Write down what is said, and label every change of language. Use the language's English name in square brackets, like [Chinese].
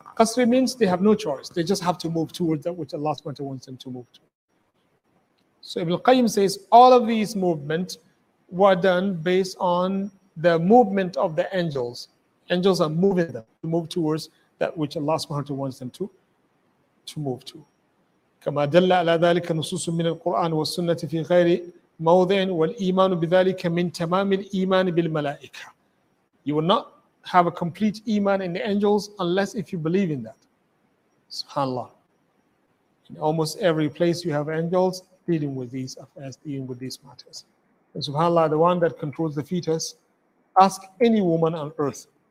[English] Qasri means they have no choice. They just have to move toward that which Allah subhanahu wa ta'ala wants them to move to. So Ibn al-Qayyim says all of these movements were done based on the movement of the angels. Angels are moving them to move towards that which Allah subhanahu wa ta'ala wants them to move to. [Arabic] كما دل على ذلك نصوص من القرآن والسنة في غير موضع والإيمان بذلك من تمام الإيمان بالملائكة. [English] You will not have a complete iman in the angels unless if you believe in that. Subhanallah. In almost every place you have angels dealing with these affairs, dealing with these matters. subhanAllah, the one that controls the fetus, ask any woman on earth.